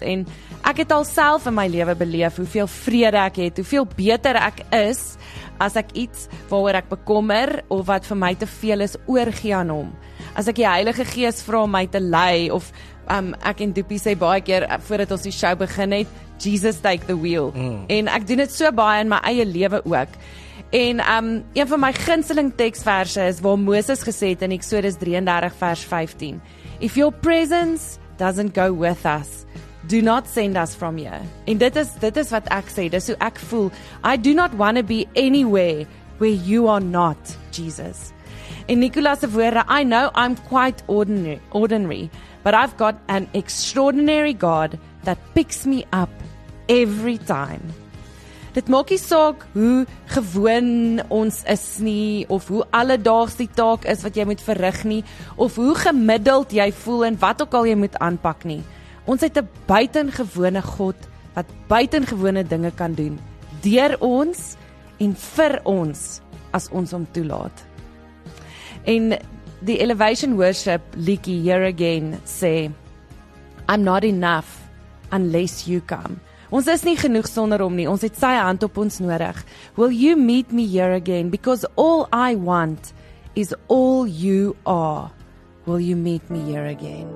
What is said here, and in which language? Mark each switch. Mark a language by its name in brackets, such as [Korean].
[Afrikaans] En ek het alself in my lewe beleef hoeveel vrede ek het, hoeveel beter ek is as ek iets waaroor ek bekommer of wat vir my te veel is oorgee aan hom. As ek die Heilige Gees vra om my te lei of ek en Doopie sê baie keer voordat ons die show begin het, [English] Jesus take the wheel. [Afrikaans] En ek doen dit so baie in my eie lewe ook. En een van my gunsteling teksverse is waar Moses gesê het in Exodus 33 vers 15. [English] If your presence doesn't go with us, do not send us from here. [Afrikaans] En dit is wat ek sê, dis hoe ek voel. [English] I do not want to be anywhere where you are not, Jesus. [Afrikaans] En Nicola se woorde, [English] I know I'm quite ordinary, but I've got an extraordinary God that picks me up every time. [Afrikaans] Dit maak nie saak hoe gewoon ons is nie, of hoe alledaags die taak is wat jy moet verrig nie, of hoe gemiddeld jy voel en wat ook al jy moet aanpak nie. Ons het 'n buitengewone God wat buitengewone dinge kan doen deur ons en vir ons as ons hom toelaat. En die Elevation Worship liedjie Here Again sê, [English] I'm not enough unless you come. [Afrikaans] Ons is nie genoeg sonder hom nie. Ons het sy hand op ons nodig. [English] Will you meet me here again? Because all I want is all you are. Will you meet me here again?